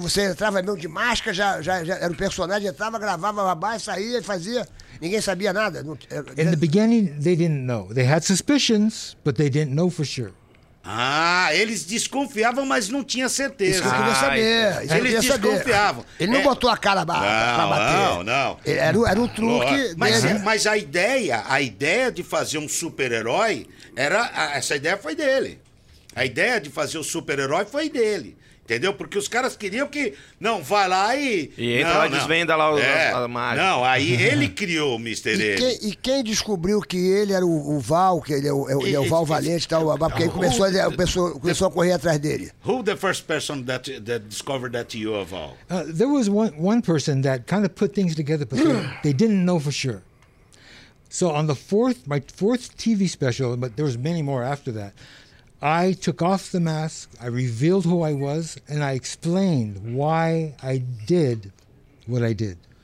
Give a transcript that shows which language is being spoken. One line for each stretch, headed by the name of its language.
Portuguese: Você entrava mesmo de máscara, já era um personagem, entrava, gravava, babá, saía e fazia. Ninguém sabia nada.
English: In the beginning, they didn't know. They had suspicions, but they didn't know for sure.
Portuguese: Ah, eles desconfiavam, mas não tinha certeza. Isso que eu queria saber. Isso eles desconfiavam. Saber. Ele não botou a cara pra bater. Não. Era um truque. Mas a ideia de fazer um super-herói, essa ideia foi dele. A ideia de fazer o super-herói foi dele. Entendeu? Porque os caras queriam que... Não, vai lá e... E entra não, lá e desvenda lá a mágica. Não, aí ele criou o Mr. E, e quem descobriu que ele era o Val, que ele é o Val Valente e tal, porque aí começou, começou a correr atrás dele.
English: Who the first person that, that discovered that you are Val? There was one person that kind of put things together, but they didn't know for sure. So on the fourth, my fourth TV special, but there was many more after that, I took off the mask, I revealed who I was, and I explained why I did what I did.